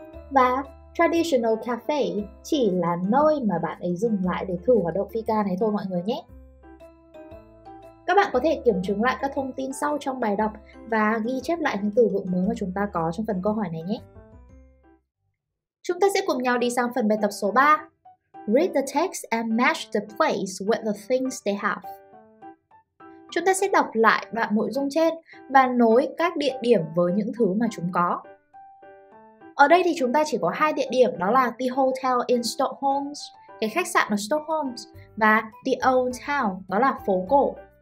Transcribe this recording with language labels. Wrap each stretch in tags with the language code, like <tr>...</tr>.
<vi>Và traditional cafe chỉ là nơi mà bạn ấy dừng lại để thử hoạt động fika này thôi mọi người nhé. Các bạn có thể kiểm chứng lại các thông tin sau trong bài đọc và ghi chép lại những từ vựng mới mà chúng ta có trong phần câu hỏi này nhé. Chúng ta sẽ cùng nhau đi sang phần bài tập số 3.</vi> <en>Read the text and match the place with the things they have.</en> <vi>Chúng ta sẽ đọc lại đoạn nội dung trên và nối các địa điểm với những thứ mà chúng có. Ở đây thì chúng ta chỉ có hai địa điểm, đó là The Hotel in Stockholm, cái khách sạn ở Stockholm, và The Old Town, đó là phố cổ.</vi>